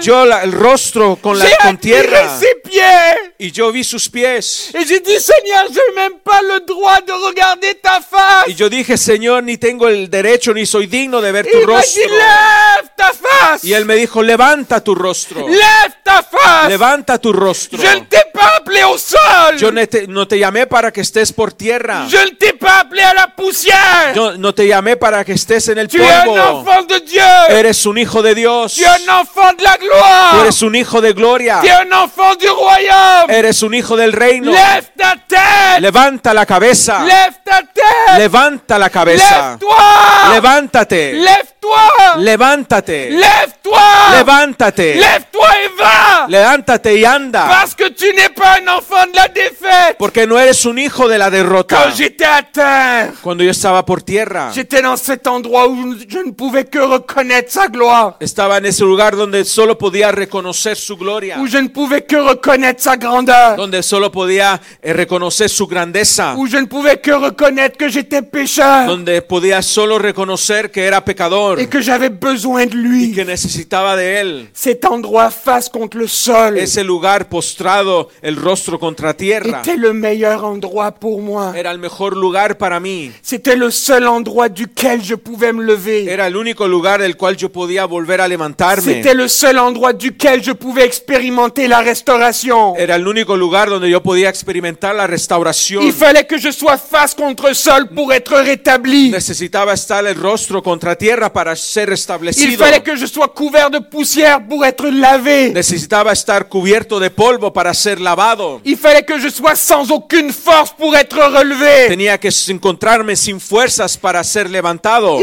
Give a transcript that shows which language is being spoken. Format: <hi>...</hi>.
<es>Yo el rostro con la con tierra. Y yo vi sus pies.</es> <fr>Et j'ai dit, Seigneur, je n'ai même pas le droit de regarder ta face.</fr> <es>Y yo dije, Señor, ni tengo el derecho ni soy digno de ver tu rostro.</es> <fr>Il m'a dit, lève ta face.</fr> <es>Y él me dijo, levanta tu rostro.</es> <fr>Lève ta face.</fr> <es>Levanta tu rostro.</es> <fr>Je ne t'ai pas appelé au sol.</fr> <es>Yo no te llamé para que estés por tierra.</es> <fr>Je ne t'ai pas appelé à la poussière.</fr> <es>Yo no te llamé para que estés en el</es> <fr>tu</fr> <es>polvo.</es> <fr>Es un enfant de Dieu.</fr> <es>Eres un hijo de Dios.</es> <fr>Tu es un enfant de la gloire.</fr> <es>Tú eres un hijo de gloria.</es> <fr>Tu es un enfant du royaume.</fr> <es>Eres un hijo del reino.</es> <fr>Lève ta tête.</fr> <es>Levanta la cabeza.</es> <fr>Lève ta tête.</fr> <es>Levanta la cabeza.</es> <fr>Lève-toi.</fr> <es>Levántate.</es> <fr>Lève-toi.</fr> <es>Levántate.</es> <fr>Lève-toi.</fr> <es>Levántate.</es> <fr>Lève-toi et va.</fr> <es>Levántate y anda.</es> <fr>Parce que tu n'es pas un enfant de la défaite.</fr> <es>Porque no eres un hijo de la derrota.</es> <fr>Quand j'étais à terre.</fr> <es>Cuando yo estaba por tierra.</es> <fr>J'étais dans cet endroit où je ne pouvais que reconnaître sa gloire.</fr> <es>Estaba en ese lugar donde solo podía reconocer su gloria.</es> <fr>Où je ne pouvais que reconnaître sa grandeur.</fr> <es>Donde solo podía reconocer su grandeza.</es> <fr>Où je ne pouvais que reconnaître que j'étais pécheur.</fr> <es>Donde podía solo reconocer que era pecador.</es> <fr>Et que j'avais besoin de lui.</fr> <es>Y que necesitaba de él.</es> <fr>Cet endroit face contre le sol.</fr> <es>Ese lugar postrado, el rostro contra tierra.</es> <fr>Était le meilleur endroit pour moi.</fr> <es>Era el mejor lugar para mí.</es> <fr>C'était le seul endroit duquel je pouvais me lever.</fr> <es>Era el único lugar del cual yo podía volver a levantarme.</es> <fr>C'était le seul endroit duquel je pouvais expérimenter la restauration.</fr> <es>Era el único lugar donde yo podía experimentar la restauración.</es> <fr>Il fallait que je sois face contre sol pour être rétabli.</fr> <es>Necesitaba estar el rostro contra tierra para ser restablecido.</es> <fr>Il fallait que je sois couvert de poussière pour être lavé.</fr> <es>Necesitaba estar cubierto de polvo para ser lavado.</es> <fr>Il fallait que je sois sans aucune force pour être relevé.</fr> <es>Tenía que encontrarme sin fuerzas para ser levantado.</es>